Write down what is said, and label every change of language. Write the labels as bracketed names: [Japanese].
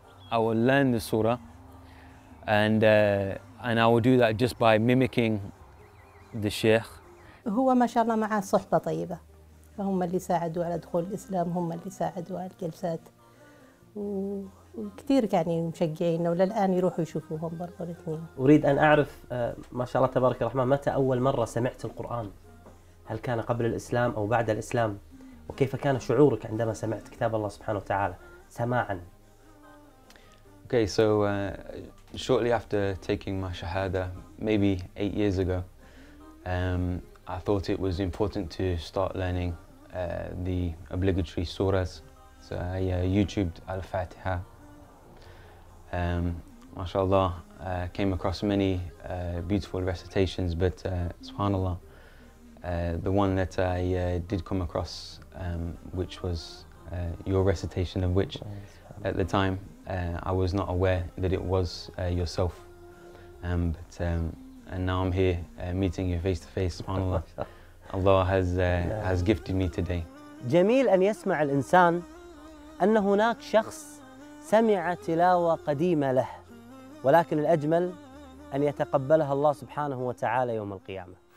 [English] I will learn the surah, and I will do that just by mimicking the Sheikh. [Arabic] هو ما شاء الله معه صحبة طيبة، هم اللي ساعدوا على دخول الإسلام، هم اللي ساعدوا على الجلسات، وكثير يعني مشجعين وللآن يروحوا يشوفوهم برضو الاثنين. أريد أن أعرف ما شاء الله تبارك الرحمن، متى أول مرة سمعت القرآن؟ هل كان قبل الإسلام أو بعد الإسلام؟ وكيف كان شعورك عندما سمعت كتاب الله سبحانه وتعالى سماعاً؟ [English] Okay, so shortly after taking my shahada, maybe 8 years ago, I thought it was important to start learning the obligatory surahs. So I YouTubed Al-Fatiha. MashaAllah, came across many beautiful recitations, but SubhanAllah, the one that I did come across, which was your recitation of which, at the time, I was not aware that it was yourself. And now I'm here meeting you face to face, SubhanAllah. Allah has gifted me today. [Arabic] جميل أن يسمع الإنسان أن هناك شخص سمع تلاوة قديمة له، ولكن الأجمل أن يتقبلها الله سبحانه وتعالى يوم القيامة.